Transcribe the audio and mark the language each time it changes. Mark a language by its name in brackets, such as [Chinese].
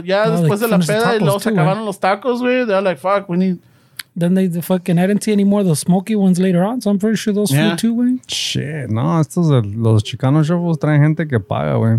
[Spanish] Well, después de la peda, y los se acabaron los tacos, güey. [English] They're like, fuck, we need. Then I didn't see any more of the smoky ones later on, so I'm pretty sure those flew too, güey. [Spanish] Shit, no, estos los Chicano Shuffles traen gente que paga, güey.